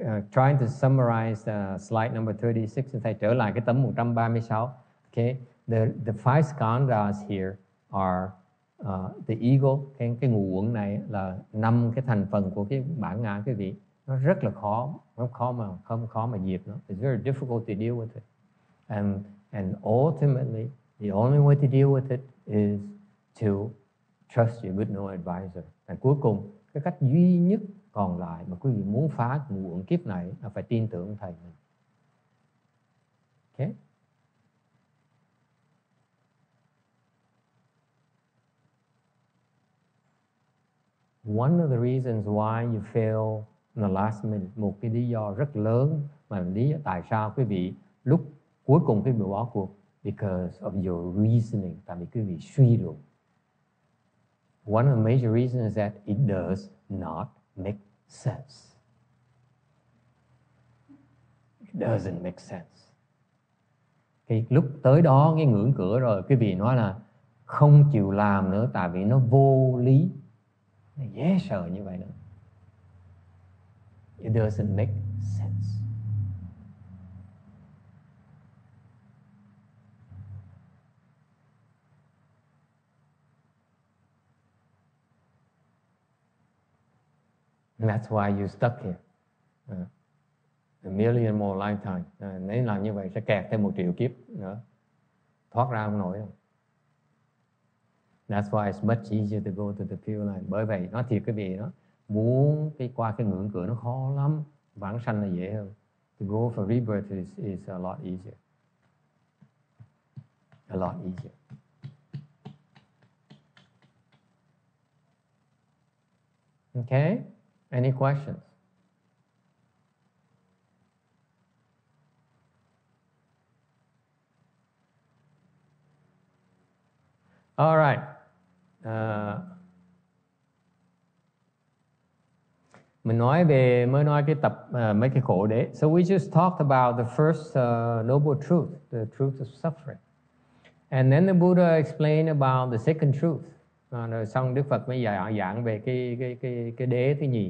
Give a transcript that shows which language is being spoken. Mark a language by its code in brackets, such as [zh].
[en] trying to summarize slide number 36 and [vi] thầy trở lại cái tấm 136. [en] Okay, the five skandhas here are the ego, [vi] cái ngũ uẩn này là năm cái thành phần của cái bản ngã cái gì. Nó rất là khó, nó khó mà không khó mà dịp nó. [en] It's very difficult to deal with it. And ultimately, the only way to deal with it is to trust your good know advisor. [vi] Và cuối cùng, cái cách duy nhất còn lại mà quý vị muốn phá ngũ uẩn kiếp này là phải tin tưởng thầy mình. [en] Okay? One of the reasons why you fail in the last minute, [vi] một cái lý do rất lớn mà lý do tại sao quý vị lúc cuối cùng quý vị bỏ cuộc, [en] because of your reasoning, [vi] tại vì quý vị suy luận. [en] One of the major reasons is that it does not make sense. It doesn't make sense. [vi] Cái lúc tới đó cái ngưỡng cửa rồi, quý vị nói là không chịu làm nữa tại vì nó vô lý. Dễ sợ như vậy nữa. [en] It doesn't make sense. And that's why you're stuck here. A million more lifetime. [vi] Nếu làm như vậy sẽ kẹt thêm 1 triệu kiếp nữa. Thoát ra không nổi đâu. [en] That's why it's much easier to go to the pure line. [vi] Bởi vậy, nói thiệt quý vị đó, muốn cái qua cái ngưỡng cửa nó khó lắm, vãng sanh là dễ hơn. [en] To go for rebirth is a lot easier. A lot easier. Okay? Any questions? All right. [vi] Mình nói về mới nói cái tập mấy cái khổ đấy. [en] So we just talked about the first noble truth, the truth of suffering, and then the Buddha explained about the second truth. [vi] Rồi xong Đức Phật mới giảng về cái đế thứ nhì.